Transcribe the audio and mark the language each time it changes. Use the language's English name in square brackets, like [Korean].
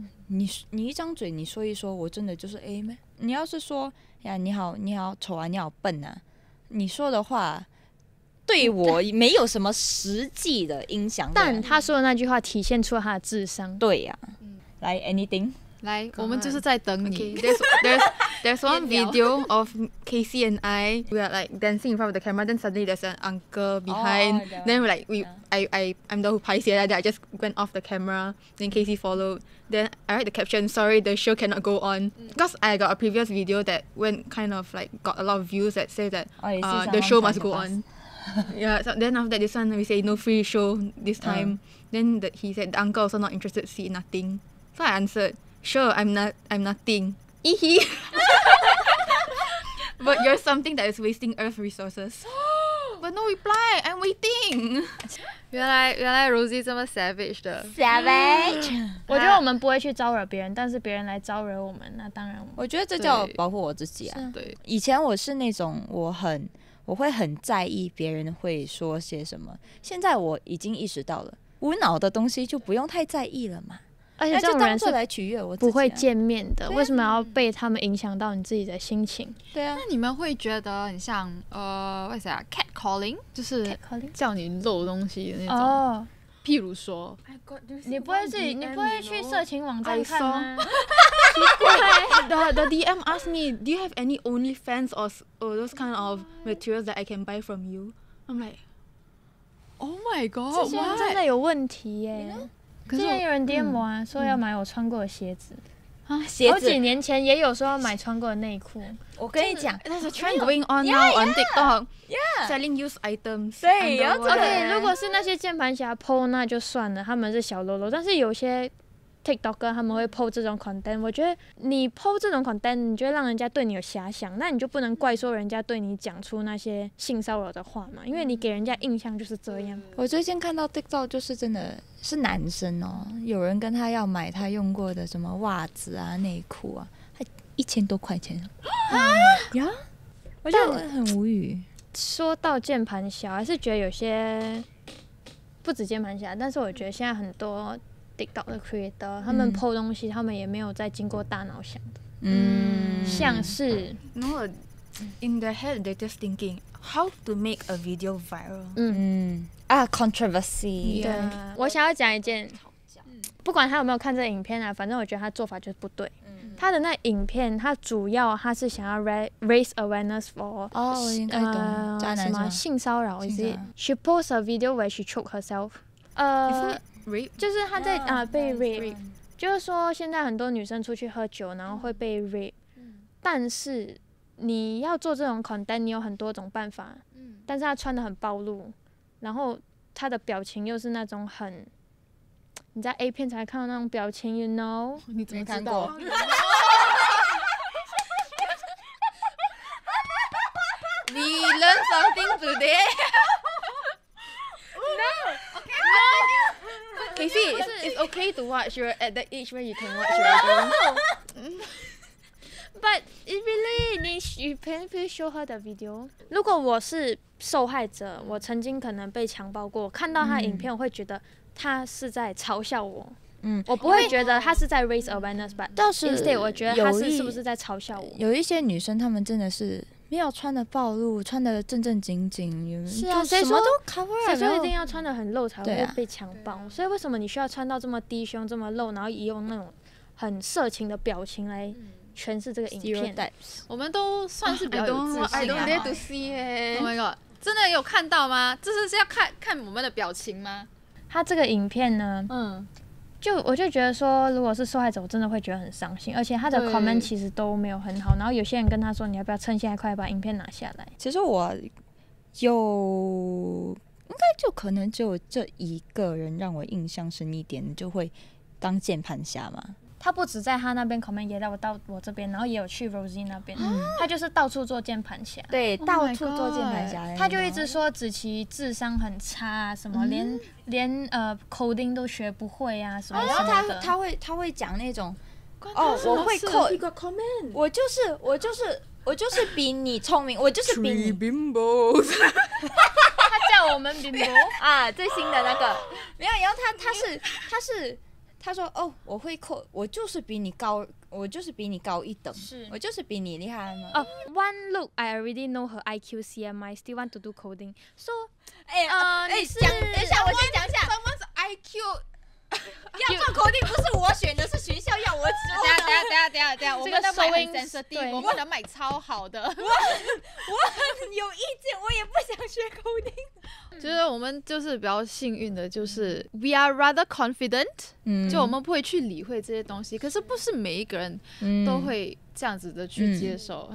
[Chinese] 你一张嘴你说一说，我真的就是 A 吗？你要是说呀你好丑啊你好笨啊，你说的话。对我没有什么实际的影响，但他说的那句话体现出了他的智商。对呀、啊，来 anything，来，我们就是在等你。 [English] Okay, there's There's one video of Casey and I. We are like dancing in front of the camera. Then suddenly there's an uncle behind. Oh, then we're like, I'm the one who paiseh. Then I just went off the camera. Then Casey followed. Then I write the caption, sorry, the show cannot go on. Because I got a previous video that went kind of like got a lot of views that say that the show must go on. Yeah, so then after this one, we say no free show this time. Then he said, the uncle also not interested, see nothing. So I answered, sure, I'm nothing. Eehee. But you're something that is wasting earth resources. But no reply, I'm waiting. [Chinese] 原来 Rosie 这么 savage 的 [English] savage， [Chinese] 我觉得我们不会去招惹别人，但是别人来招惹我们，那当然。我觉得这叫保护我自己啊。对，以前我是那种我会很在意别人会说些什么，现在我已经意识到了，无脑的东西就不用太在意了嘛。而且这种人是来取悦我，不会见面的，为什么要被他们影响到你自己的心情？对啊，那你们会觉得很像cat calling， 就是叫你露东西的那种。譬如说，你不会去色情网站看吗？奇怪， [English] the DM asked me， do you have any OnlyFans or those kind of materials that I can buy from you？ I'm like， oh my god， [Chinese] 这些真的有问题耶。之前有人 DM 我啊，说要买我穿过的鞋子啊，鞋子。好几年前也有说要买穿过的内裤。我跟你讲，那是 [English] trend going on now on TikTok， yeah， selling used items。 [Chinese] 对，有这个。如果是那些键盘侠 PO 那就算了，他们是小喽啰。但是有些 TikToker 他们会 PO 这种 content， 我觉得你 PO 这种 content， 你就会让人家对你有遐想，那你就不能怪说人家对你讲出那些性骚扰的话嘛，因为你给人家印象就是这样。我最近看到 TikTok 就是真的。是男生哦，有人跟他要买他用过的什么袜子啊、内裤啊，还1000多块钱啊呀！我觉得很无语。说到键盘侠，还是觉得有些不止键盘侠，但是我觉得现在很多 TikTok 的 creator， 他们 po 东西，他们也没有在经过大脑想的，像是 [English] no in the head they're just thinking how to make a video viral， controversy。 [Chinese] 对，我想要讲一件，不管他有没有看这影片啊，反正我觉得他做法就是不对。他的那影片，他主要他是想要 [English] raise awareness for [Chinese] 什么性骚扰 ， [English] is it？ She post a video where she choke herself， rape？ [Chinese] 就是他在被 rape， 就是说现在很多女生出去喝酒，然后会被 rape， 但是你要做这种 content， 你有很多种办法，但是他穿得很暴露。然后他的表情又是那种很，你在 A 片才看到那种表情 ， [English] you know？ [Chinese] 你怎么知道？ [English] 你 learn something today？ No， OK， no， Casey， it's okay to watch. You're at the age where you can watch right now. But it really， 你 you can please show her the video。 [Chinese] 如果我是受害者，我曾经可能被强暴过，看到他的影片，我会觉得他是在嘲笑我。我不会觉得他是在 [English] raise awareness， but instead， [Chinese] 我觉得他是不是在嘲笑我？有一些女生，她们真的是没有穿的暴露，穿的正正经经，是啊，什么都 cover，谁说一定要穿的很露才会被强暴？所以为什么你需要穿到这么低胸、这么露，然后用那种很色情的表情来？全是这个影片，我们都算是比较有自信啊。 [English] I don't dare to see [Chinese] it. [English] Oh my god， [Chinese] 真的有看到吗？这是要看我们的表情吗？他这个影片呢，就我就觉得说，如果是受害者，我真的会觉得很伤心。而且他的 comment 其实都没有很好，然后有些人跟他说，你要不要趁现在快把影片拿下来？其实我有，应该就可能只有这一个人让我印象深一点，就会当键盘侠嘛。他不只在他那边 comment， 也到我这边，然后也有去 Rosie 那边，他就是到处做键盘侠。对，到处做键盘侠。他就一直说子琪智商很差，什么连coding 都学不会啊，什么什么的。然后他会讲那种，我会 code， comment，我就是比你聪明，我就是比你 [English] bimbo。 [Chinese] 他叫我们 bimbo 啊，最新的那个没有。然后他是。他说：“哦，我会扣，我就是比你高，我就是比你高一等，我就是比你厉害吗？” [English] One look, I already know her IQ CMI. Still want to do coding? So， [Chinese] 等一下，我先讲一下。 [English] Someone's IQ [Chinese] 要做 coding 不是我选的，是学校要我做的。等一下，我们的 [English] sensitive， [Chinese] 我们能买超好的。我很有意见，我也不想学 coding。就是我们就是比较幸运的，就是 [English] we are rather confident， [Chinese] 就我们不会去理会这些东西。可是不是每一个人都会这样子的去接受，